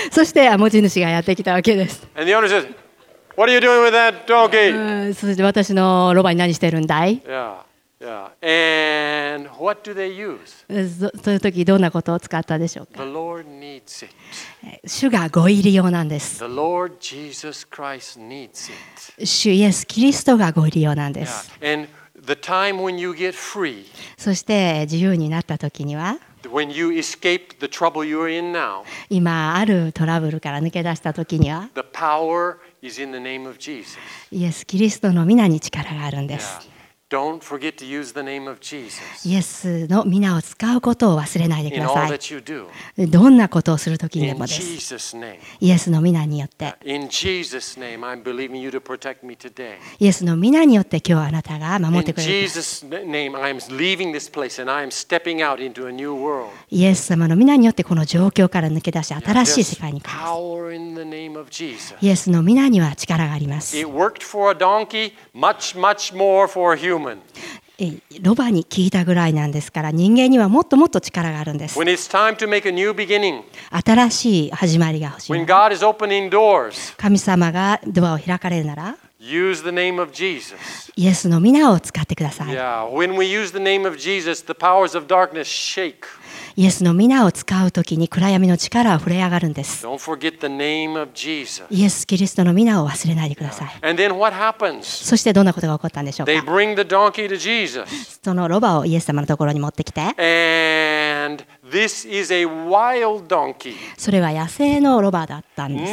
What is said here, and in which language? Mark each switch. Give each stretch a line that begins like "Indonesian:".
Japanese: そして持ち主がやってきたわけです。
English: And the owner says, "What are you doing with that donkey?"
Japanese: そして私のロバに何してるんだい？
English: Yeah. Yeah. And what do they use?
Japanese: そういう時どんなことを使ったでしょうか？
English: The Lord needs it.
Japanese: 主がご入り用なんです。
English: The Lord Jesus Christ needs it.
Japanese: 主イエスキリストがご入り用なんです。
English: Yeah. And the time when you get free.
Japanese: そして自由になった時には、
English: When you escape the trouble you're in now,
Japanese: 今あるトラブルから抜け出した時には、
English: the power is in the name of Jesus.
Japanese: イエス・キリストの御名に力があるんです。
English: Yeah. Don't forget to use the name of Jesus.
Japanese: イエスの御名を使うことを忘れないでください。
English: In all that you do.
Japanese: どんなことをする時にでもです。
English: In Jesus' name.
Japanese: イエスの御名によって。
English: In Jesus' name, I'm believing you to protect me today.
Japanese: イエスの御名によって今日あなたが守ってくれる。
English: In Jesus' name, I'm leaving this place and I'm stepping out into a new world.
Japanese: イエス様の御名によってこの状況から抜け出し新しい世界に変わる。
English: Power in the name of Jesus.
Japanese: イエスの御名には力があります。
English: It worked for a donkey, much, much more for a human.
Japanese: ロバに聞いたぐらいなんですから人間にはもっともっと力があるんです。
English: When it's time to make a new beginning,
Japanese: 新しい始まりが欲しい。
English: When God is opening doors,
Japanese: 神様がドアを開かれるなら
English: use the name of Jesus.
Japanese: イエスの御名を使ってください。
English: yeah. When we use the name of Jesus, the powers of darkness shake.
Japanese: イエスの御名を使うときに暗闇の力は震え上がるんです。
English: Don't forget the name of Jesus.
Japanese: イエス・キリストの御名を忘れないでください。
English: And then what happens?
Japanese: そしてどんなことが起こったんでしょうか。
English: They bring the donkey to Jesus.
Japanese: そのロバをイエス様のところに持ってきて、
English: And this is a wild donkey.
Japanese: それは野生のロバだったんです。